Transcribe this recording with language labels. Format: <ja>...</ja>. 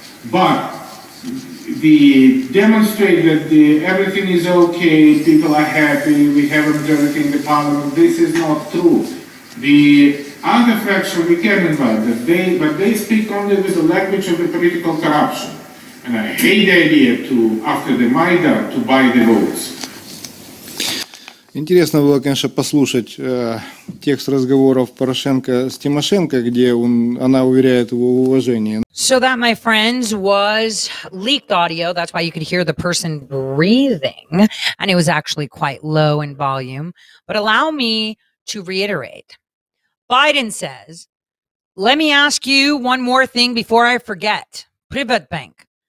<en>But the demonstrate that the everything is okay, people are happy, we have a majority in the parliament, this is not true. The other fraction we can invite, that they, but they speak only with the language of the political corruption. And I hate the idea to, after the Maidan, to buy the votes.</en> <ru>Интересно было, конечно, послушать текст разговоров Порошенко с Тимошенко, где он, она уверяет его в уважении.</ru> <en>So that, my friends, was leaked audio. That's why you could hear the person breathing. And it was actually quite low in volume. But allow me to reiterate. Biden says, let me ask you one more thing before I forget. Privatbank.</en>